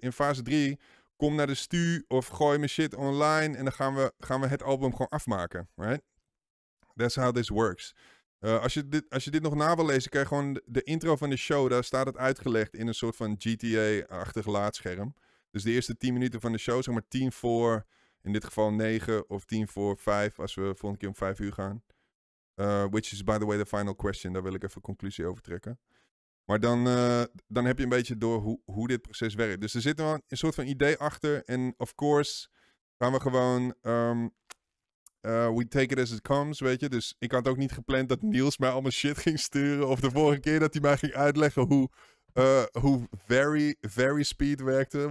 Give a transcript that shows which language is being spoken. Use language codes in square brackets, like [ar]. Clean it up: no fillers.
[nl] In fase 3, kom naar de stu of gooi mijn shit online en dan gaan we het album gewoon afmaken, right? [en] That's how this works. [nl] Als je dit nog na wil lezen, kan je gewoon de intro van de show, daar staat het uitgelegd in een soort van GTA-achtig laadscherm. Dus de eerste 10 minuten van de show, zeg maar 10 voor, in dit geval 9 of 10 voor 5, als we volgende keer om 5 uur gaan. [en] Which is by the way the final question, [nl] daar wil ik even conclusie over trekken. Maar dan heb je een beetje door hoe dit proces werkt. Dus er zit wel een soort van idee achter. En of course gaan we gewoon... [en] we take it as it comes, [nl] weet je. Dus ik had ook niet gepland dat Niels mij allemaal shit ging sturen. Of de vorige keer dat hij mij ging uitleggen hoe very, very speed werkte.